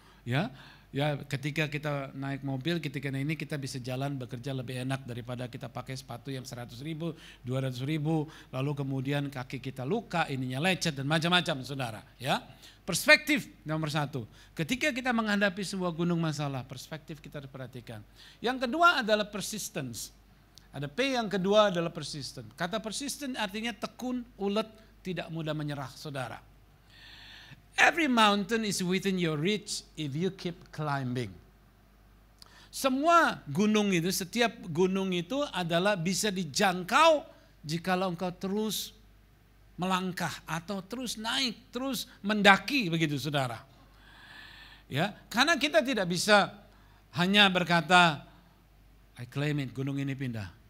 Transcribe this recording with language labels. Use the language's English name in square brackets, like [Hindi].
[Indonesian] Ya, ya ketika kita naik mobil, ketika ini kita bisa jalan bekerja lebih enak daripada kita pakai sepatu yang 100 ribu, 200 ribu, lalu kemudian kaki kita luka, ininya lecet dan macam-macam saudara. Ya, perspektif nomor satu. Ketika kita menghadapi sebuah gunung masalah, perspektif kita diperhatikan. Yang kedua adalah persistence. Ada P yang kedua adalah persistent. Kata persistent artinya tekun, ulet, tidak mudah menyerah, saudara. [English] Every mountain is within your reach if you keep climbing. [Indonesian] Semua gunung itu, setiap gunung itu adalah bisa dijangkau jikalau engkau terus melangkah atau terus naik, terus mendaki begitu, saudara. Ya, karena kita tidak bisa hanya berkata, I claim it, gunung ini pindah.